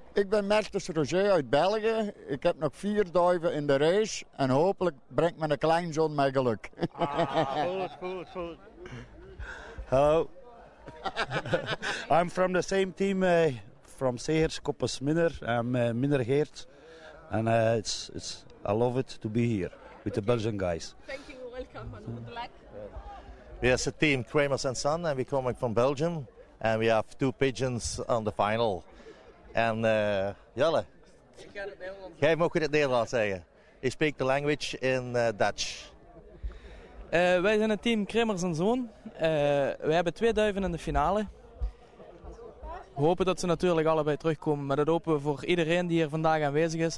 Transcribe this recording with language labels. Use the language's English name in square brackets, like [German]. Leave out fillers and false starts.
[Dutch] Ik ben Mertens Roger uit België. Ik heb nog 4 duiven in de race. En hopelijk brengt mijn kleinzoon mij geluk. Goed. Hallo. [English] I'm from the same team, from Segers, Koppers, Minner. I'm Minner Geert, and it's I love it to be here with the Belgian guys. Thank you, welcome, and good luck. We as a team, Kramers and Son, and we're coming from Belgium, and we have 2 pigeons on the final. [Dutch] And Jelle, jij mag het Nederlands zeggen. Ik spreek de [English] language [Dutch] in Dutch. Wij zijn het team Kremers en Zoon. Wij hebben 2 duiven in de finale. We hopen dat ze natuurlijk allebei terugkomen. Maar dat hopen we voor iedereen die hier vandaag aanwezig is.